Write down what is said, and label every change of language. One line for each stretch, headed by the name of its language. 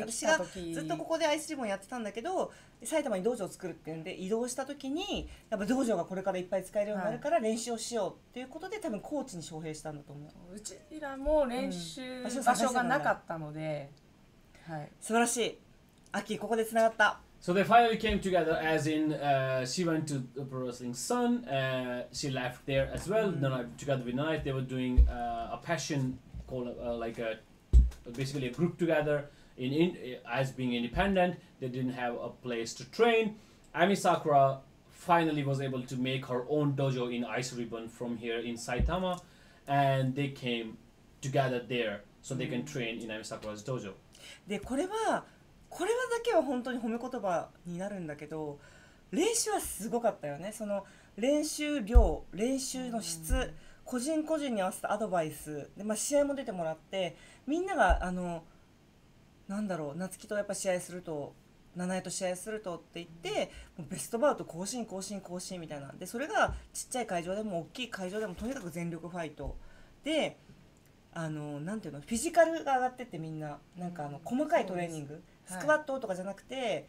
Japanese: 私がずっとここでアイスリボンやってたんだけど、埼玉に道場を作るっていうんで移動した時に、やっぱ道場がこれからいっぱい使えるようになるから練習をしようっていうことで、はい、多分コーチに招聘したんだと思う。うちらも練習場所がなかったので、はい、素晴らしい。アッキー、ここでつながった。
English: So they finally came together, as in, she went to the pro wrestling Sun, she left there as well. Then together with Nanai, they were doing a passion called like a basically a group together. as being independent, they didn't have a place to train. Ami Sakura finally was able to make her own dojo in Ice Ribbon from here in Saitama, and they came together there so they can train in Ami Sakura's dojo.
Japanese: で、これはだけは本当に褒め言葉になるんだけど、練習はすごかったよね。その練習量、練習の質、個人個人に合わせたアドバイスで、まあ、試合も出てもらって、みんながあの、なんだろう、夏希とやっぱ試合すると、七重と試合するとって言って、もうベストバウト更新更新更新みたいな。で、それがちっちゃい会場でも大きい会場でもとにかく全力ファイトで、あのなんていうの、フィジカルが上がってってみんな、なんかあの細かいトレーニング、スクワットとかじゃなくて、